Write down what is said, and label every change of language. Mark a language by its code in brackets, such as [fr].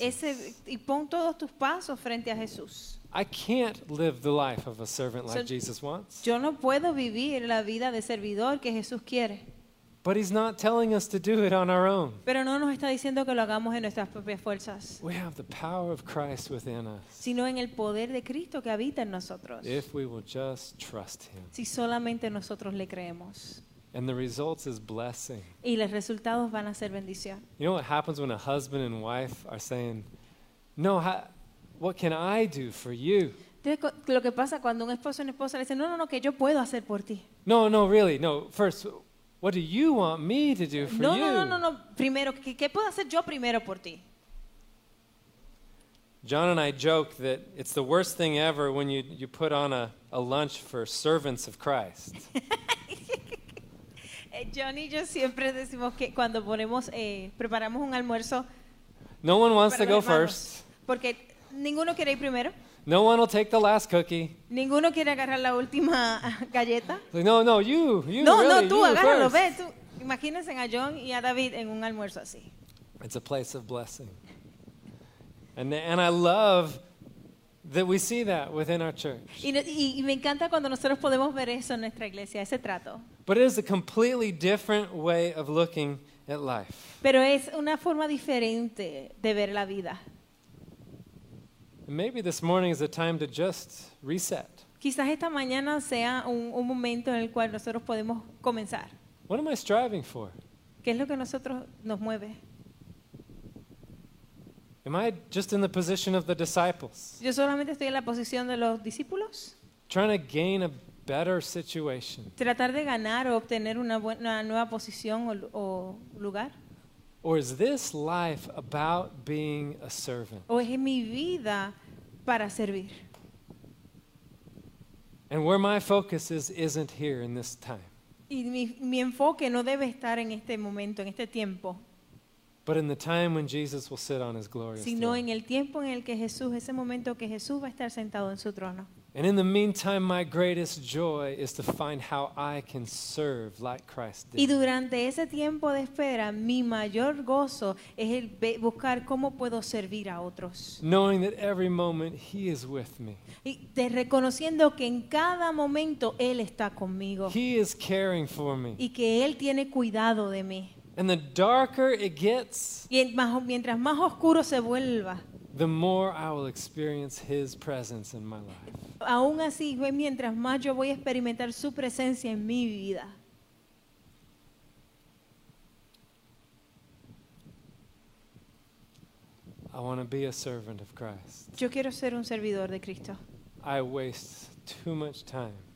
[es] Ese, y pon todos tus pasos frente a Jesús. [en] I can't live the life of a servant like Jesus wants. [es] Yo no puedo vivir la vida de servidor que Jesús quiere. [en] But he's not telling us to do it on our own. [es] Pero no nos está diciendo que lo hagamos en nuestras propias fuerzas. [en] We have the power of Christ within us. [es] Sino en el poder de Cristo que habita en nosotros. [en] If we will just trust him. [es] Si solamente nosotros le creemos. [en] And the results is blessing. [es] Y los resultados van a ser bendición. [en] You know what happens when a husband and wife are saying, "No, what can I do for you?" [es] Lo que pasa cuando un esposo y una esposa le dicen, "No, ¿qué yo puedo hacer por ti?" [en] No, no, really. No, first, what do you want me to do for you? [es] No. Primero, ¿qué puedo hacer yo primero por ti? [en] John and I joke that it's the worst thing ever when you put on a lunch for servants of Christ. [es] John y yo siempre decimos que cuando ponemos preparamos un almuerzo. [en] No one wants to go first. [es] Porque ninguno quiere ir primero. [en] No one will take the last cookie. [es] Ninguno quiere agarrar la última galleta. [en] No, you. [es] No, [en] really, [es] no, tú [en] you [es] agárralo, [en] first. [es] Ve. Tú. Imagínense a John y a David en un almuerzo así. [en] It's a place of blessing. And I love that we see that within our church. [es] Y me encanta cuando nosotros podemos ver eso en nuestra iglesia, ese trato. [en] But it is a completely different way of looking at life. [es] Pero es una forma diferente de ver la vida. [en] Maybe this morning is a time to just reset. [es] Quizás esta mañana sea un momento en el cual nosotros podemos comenzar. [en] What am I striving for? [es] ¿Qué es lo que nosotros nos mueve? [en] Am I just in the position of the disciples? [es] Yo solamente estoy en la posición de los discípulos. [en] Trying to gain a better situation. [es] Tratar de ganar o obtener una nueva posición o lugar. [en] Or is this life about being a servant? [es] O es mi vida para servir. [en] And where my focus is isn't here in this time. [es] Y mi enfoque no debe estar en este momento, en este tiempo. [en] But in the time when Jesus will sit on his glorious throne. [es] Sino en el tiempo en el que Jesús, ese momento que Jesús va a estar sentado en su trono. [en] And in the meantime, my greatest joy is to find how I can serve like Christ did. [es] Y durante ese tiempo de espera, mi mayor gozo es el buscar cómo puedo servir a otros. [en] Knowing that every moment He is with me. [es] Y de reconociendo que en cada momento Él está conmigo. [en] He is caring for me. [es] Y que Él tiene cuidado de mí. [en] And the darker it gets, [es] y mientras más oscuro se vuelva, [en] the more I will experience His presence in my life. [es] Aún así, mientras más yo voy a experimentar su presencia en mi vida. [en] I want to be a servant of Christ. [es] Yo quiero ser un servidor de Cristo. [en] I waste too much time.